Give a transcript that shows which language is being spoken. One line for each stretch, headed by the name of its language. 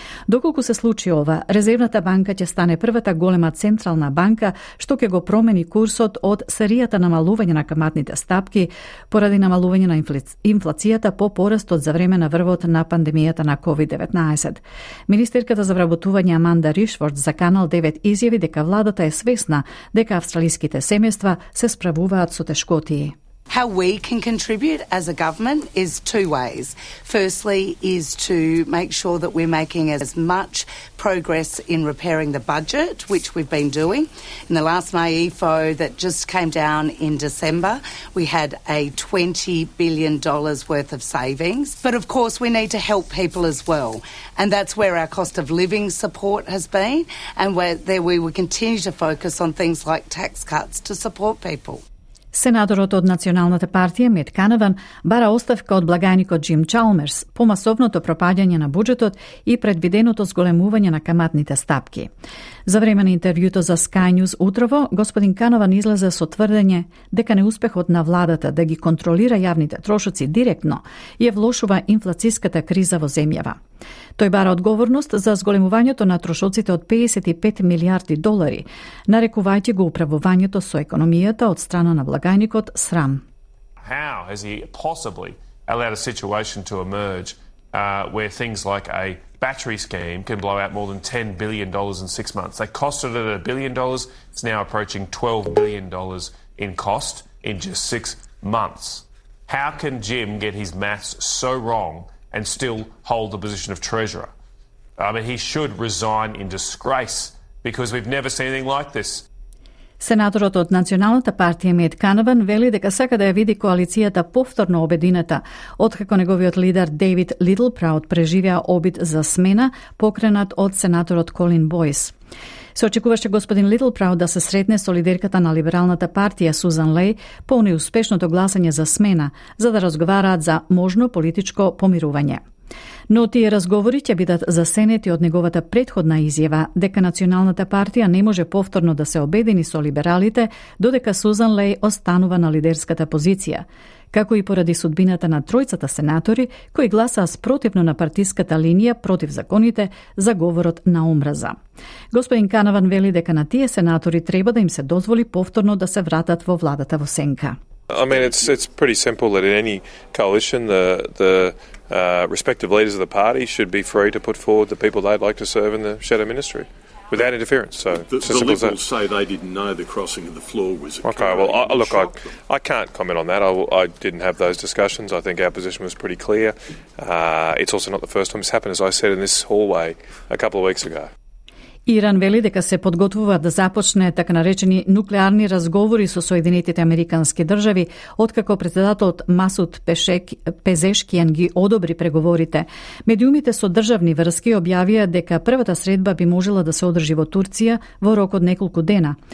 Macedonian: Доколку се случи ова, Резервната банка ќе стане првата голема централна банка што ќе го промени курсот од серијата намалување на каматните стапки поради намалување на инфлацијата по порастот за време на врвот на пандемијата на COVID-19. Министерката за вработување Аманда Ришфорд за Канал 9 изјави дека владата е свесна дека австралиските семејства се справуваат со тешкотии.
English: How we can contribute as a government is two ways. Firstly, is to make sure that we're making as much progress in repairing the budget, which we've been doing. In the last MAIFO that just came down in December, we had a $20 billion worth of savings. But of course, we need to help people as well. And that's where our cost of living support has been, and where there we will continue to focus on things like tax cuts to support people.
Macedonian: Сенаторот од Националната партија Мет Канаван бара оставка од благајникот Джим Чалмерс по масовното пропаѓање на буџетот и предвиденото зголемување на каматните стапки. За време на интервјуто за Sky News утрово, господин Канаван излезе со тврдење дека неуспехот на владата да ги контролира јавните трошоци директно ја влошува инфлацијската криза во земјава. Тој бара одговорност за зголемувањето на трошоците од 55 милиарди долари, нарекувајќи го управувањето со економијата од страна на благајникот срам.
English: How has he possibly allowed a situation to emerge where things like a battery scheme can blow out more than $10 billion in 6 months? They costed it $1 billion, it's now approaching $12 billion in cost in just 6 months. How can Jim get his maths so wrong and still hold the position of treasurer? I mean, he should resign in disgrace because we've never seen anything like this.
Macedonian: Сенаторот од Националната партија Мед Канаван вели дека сака да ја види коалицијата повторно обедината, откако неговиот лидер Дејвид Литлпраут преживеа обид за смена, покренат од сенаторот Колин Бојс. Се очекуваше господин Литлпраут да се сретне со лидерката на Либералната партија Сузан Леј по неуспешното гласање за смена, за да разговараат за можно политичко помирување. Но тие разговори ќе бидат засенети од неговата предходна изјава дека Националната партија не може повторно да се обедини со либералите додека Сузан Леј останува на лидерската позиција, како и поради судбината на тројцата сенатори кои гласаа спротивно на партиската линија против законите за говорот на омраза. Господин Канаван вели дека на тие сенатори треба да им се дозволи повторно да се вратат во владата во сенка.
English: I mean, it's pretty simple that in any coalition, the respective leaders of the party should be free to put forward the people they'd like to serve in the shadow ministry without interference. So the Liberals say they didn't know the crossing of the floor was occurring. Okay, well, I can't comment on that. I didn't have those discussions. I think our position was pretty clear. It's also not the first time it's happened, as I said in this hallway a couple of weeks ago.
Macedonian: Иран вели дека се подготвува да започне така наречени нуклеарни разговори со Соединетите Американски држави, откако председателот Масуд Пезешкиан ги одобри преговорите. Медиумите со државни врски објавија дека првата средба би можела да се одржи во Турција во рок од неколку дена.